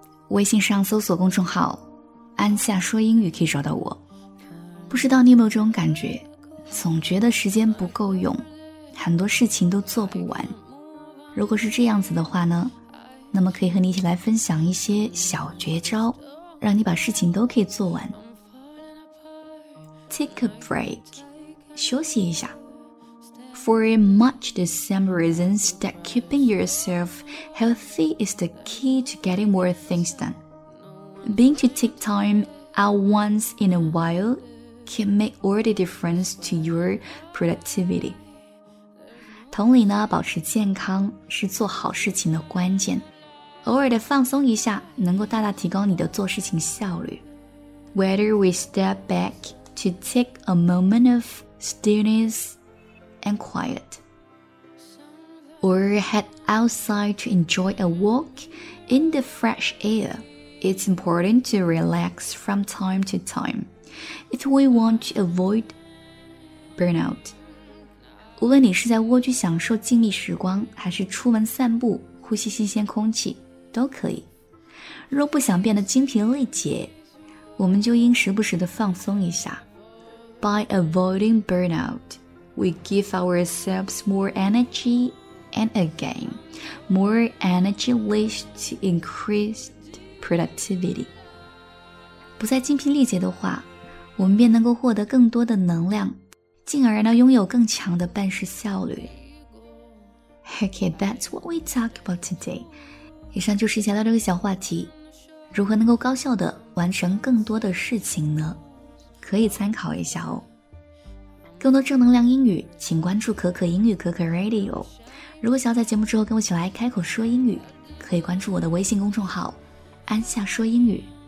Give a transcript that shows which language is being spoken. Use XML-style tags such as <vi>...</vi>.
<zh>微信上搜索公众号安夏说英语可以找到我。不知道你有没有这种感觉，总觉得时间不够用，很多事情都做不完。如果是这样子的话呢，那么可以和你一起来分享一些小绝招，让你把事情都可以做完。</zh> <en>Take a break，</en> <zh>休息一下。</zh> <en>For much the same reasons that keeping yourself healthy is the key to getting more things done. Being to take time out once in a while can make all the difference to your productivity.</en> <zh>同理呢，保持健康是做好事情的关键。偶尔的放松一下能够大大提高你的做事情效率。</zh> <en>Whether we step back to take a moment of stillness,and quiet, or head outside to enjoy a walk in the fresh air, it's important to relax from time to time if we want to avoid burnout.</en> <zh>无论你是在蜗居享受静谧时光，还是出门散步呼吸新鲜空气，都可以。若不想变得精疲力竭，我们就应时不时地放松一下。</zh> <en>By avoiding burnoutWe give ourselves more energy, and again, more energy leads to increased productivity.</en> <zh>不再精疲力竭的话，我们便能够获得更多的能量，进而呢拥有更强的办事效率。</zh> <en>Okay, that's what we talk about today.</en> <zh>以上就是闲聊这个小话题，如何能够高效地完成更多的事情呢？可以参考一下哦。更多正能量英语请关注可可英语可可 Radio。如果想要在节目之后跟我一起来开口说英语，可以关注我的微信公众号安夏说英语。</zh>